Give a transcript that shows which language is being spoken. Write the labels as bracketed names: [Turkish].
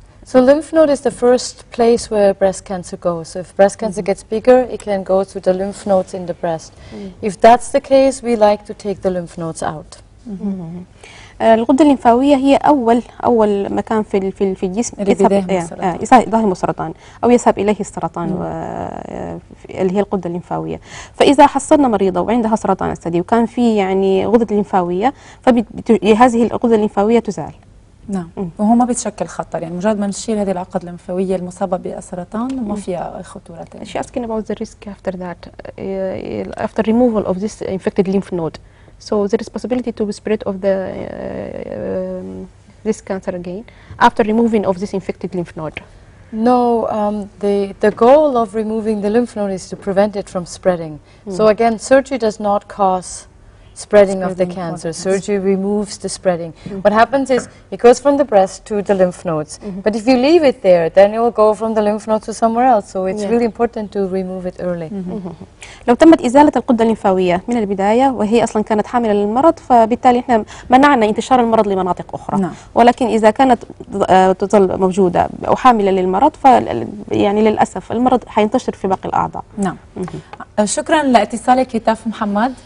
[English] So lymph node is the first place where breast cancer goes. So if breast cancer gets bigger, it can go to the lymph nodes in the breast. If that's the case, we like to take the lymph nodes out. [Arabic] الغدة الليمفاوية هي أول مكان في في في الجسم يذهب السرطان أو يذهب إليه السرطان اللي هي الغدة الليمفاوية. فإذا حصلنا مريضة وعندها سرطان الثدي وكان في يعني غدة ليمفاوية فهذه الغدة الليمفاوية تزال. نعم. وهو ما بتشكل خطر يعني مجرد ما نشيل هذه العقد الليمفاوية المصابة بالسرطان ما فيها خطورة. [English] She asking about the risk after that after removal of this infected lymph node. So there is possibility to spread of the this cancer again after removing of this infected lymph node. No, the goal of removing the lymph node is to prevent it from spreading. So again, surgery does not cause spreading of the cancer. Surgery removes the spreading. What happens is it goes from the breast to the lymph nodes. But if you leave it there, then it will go from the lymph nodes to somewhere else. So it's really important to remove it early. [Arabic] لو تمت إزالة القدة الليمفاوية من البداية وهي أصلا كانت حاملة للمرض فبالتالي احنا منعنا انتشار المرض لمناطق أخرى. ولكن إذا كانت تظل موجودة أو حاملة للمرض يعني للأسف المرض حينتشر في باقي الأعضاء. نعم. شكرا لاتصالك هتاف محمد.